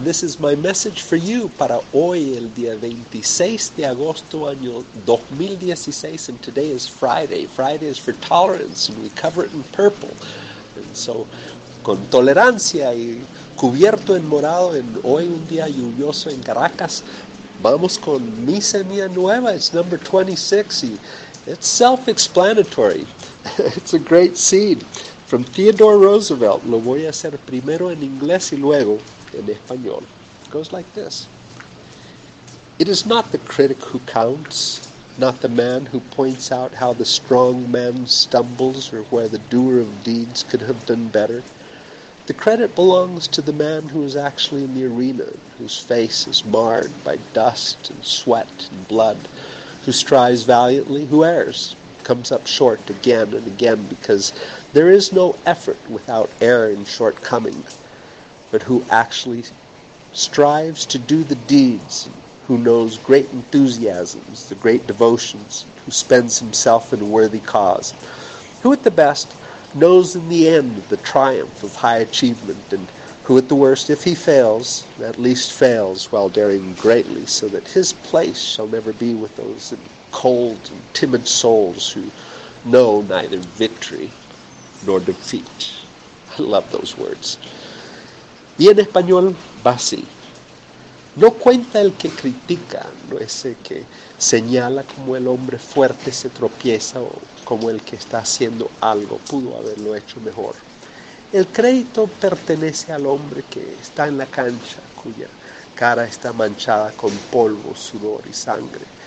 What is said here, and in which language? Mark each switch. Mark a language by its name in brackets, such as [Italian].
[English] This is my message for you [Spanish] para hoy, el día 26 de agosto, año 2016. [English] And today is Friday. Friday is for tolerance, and we cover it in purple. And so, [Spanish] con tolerancia y cubierto en morado, en hoy un día lluvioso en Caracas, vamos con mi semilla nueva. [English] It's number 26. Y it's self-explanatory. It's a great seed. From Theodore Roosevelt, [Spanish] lo voy a hacer primero en inglés y luego en español. [English] It goes like this. It is not the critic who counts, not the man who points out how the strong man stumbles or where the doer of deeds could have done better. The credit belongs to the man who is actually in the arena, whose face is marred by dust and sweat and blood, who strives valiantly, who errs. Comes up short again and again because there is no effort without error and shortcoming, but who actually strives to do the deeds, who knows great enthusiasms, the great devotions, who spends himself in a worthy cause, who at the best knows in the end the triumph of high achievement, and who at the worst, if he fails, at least fails while daring greatly, so that his place shall never be with those that cold and timid souls who know neither victory nor defeat. I love those words. [Spanish] Y en español va así. No cuenta el que critica, no es el que señala como el hombre fuerte se tropieza o como el que está haciendo algo, pudo haberlo hecho mejor. El crédito pertenece al hombre que está en la cancha, cuya cara está manchada con polvo, sudor y sangre.